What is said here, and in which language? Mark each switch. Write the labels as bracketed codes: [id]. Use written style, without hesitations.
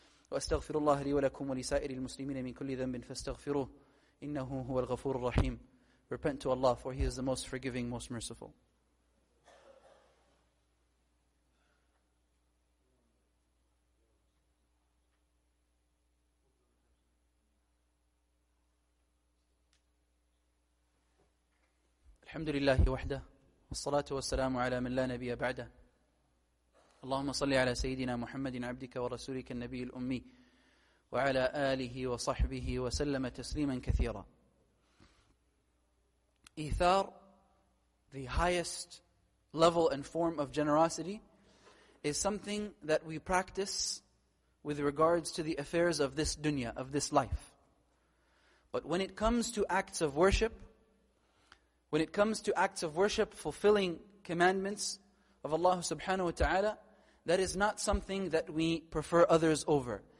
[ar] وأستغفر الله لي ولكم ولسائر المسلمين من كل ذنب فاستغفروه إنه هو الغفور الرحيم. [en] Repent to Allah, for He is the most forgiving, most merciful. [ar] الحمد لله وحده والصلاة والسلام على من لا نبي بعده. اللهم صل على سيدنا محمد عبدك ورسولك النبي الأمي وعلى آله وصحبه وسلم تسليما كثيرا. [en] إيثار, the highest level and form of generosity, is something that we practice with regards to the affairs of this dunya, of this life. But when it comes to acts of worship, when it comes to acts of worship fulfilling commandments of Allah subhanahu wa ta'ala, that is not something that we prefer others over.